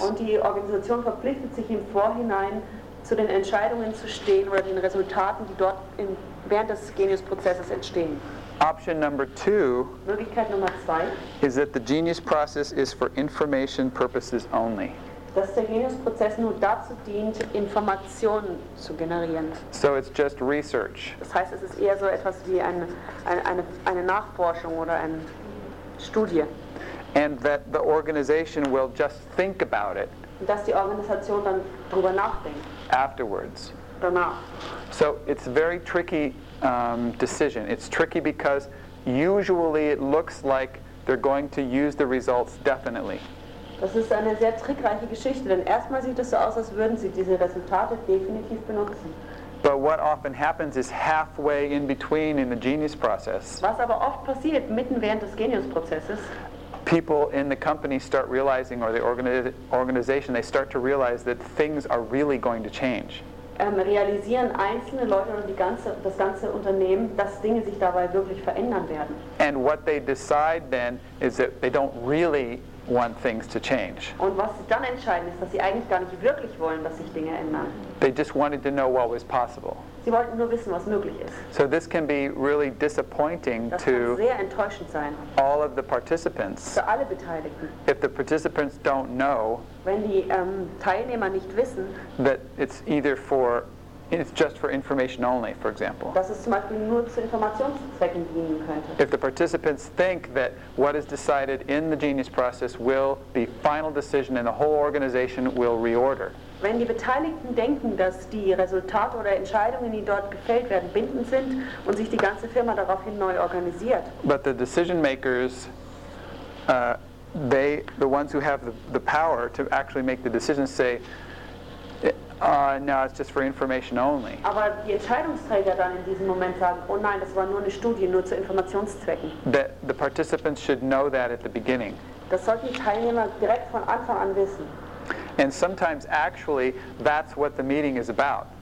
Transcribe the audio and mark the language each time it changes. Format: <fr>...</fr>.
<de>Und die Organisation verpflichtet sich im Vorhinein zu den Entscheidungen zu stehen oder den Resultaten, die dort in, während des Genius-Prozesses entstehen.</de> <en>Option number two,</en> <de>Möglichkeit Nummer zwei,</de> <en>is that the genius process is for information purposes only.</en> <de>Dass der Genius-Prozess nur dazu dient, Informationen zu generieren.</de> <en>So it's just research.</en> <de>Das heißt, es ist eher so etwas wie eine Nachforschung oder eine Studie.</de> <en>And that the organization will just think about it.</en> <de>Und dass die Organisation dann drüber nachdenkt.</de> <en>Afterwards.</en> <de>Danach.</de> <en>So it's a very tricky decision. It's tricky because usually it looks like they're going to use the results definitely.</en> <de>Das ist eine sehr trickreiche Geschichte, denn erstmal sieht es so aus, als würden sie diese Resultate definitiv benutzen.</de> <en>But what often happens is halfway in between in the genius process.</en> <de>Was aber oft passiert, mitten während des Genius-Prozesses.</de> <en>People in the company start realizing, or the organization, they start to realize that things are really going to change.</en> <de>Realisieren einzelne Leute oder das ganze Unternehmen, dass Dinge sich dabei wirklich verändern werden.</de> <en>And what they decide then is that they don't really want things to change.</en> <de>Und was sie dann entscheiden ist, dass sie eigentlich gar nicht wirklich wollen, dass sich Dinge ändern.</de> <en>They just wanted to know what was possible.</en> <de>Sie wollten nur wissen, was möglich ist.</de> <en>So this can be really disappointing to</en> <de>sehr enttäuschend sein.</de> <en>All of the participants.</en> <de>Für alle Beteiligten.</de> <en>If the participants don't know,</en> <de>wenn die Teilnehmer nicht wissen,</de> <en>that it's either for, it's just for information only, for example.</en> <de>Dass es zum Beispiel nur zu Informationszwecken dienen könnte.</de> <en>If the participants think that what is decided in the genius process will be final decision and the whole organization will reorder.</en> <de>Wenn die Beteiligten denken, dass die Resultate oder Entscheidungen, die dort gefällt werden, bindend sind und sich die ganze Firma daraufhin neu organisiert.</de> <en>But the decision makers, the ones who have the power to actually make the decision, say, no, it's just for information only.</en> <de>Aber die Entscheidungsträger dann in diesem Moment sagen, oh nein, das war nur eine Studie, nur zu Informationszwecken.</de> <en>That the participants should know that at the beginning.</en> <de>Das sollten die Teilnehmer direkt von Anfang an wissen.</de> <en>And sometimes, actually, that's what the meeting is about.</en>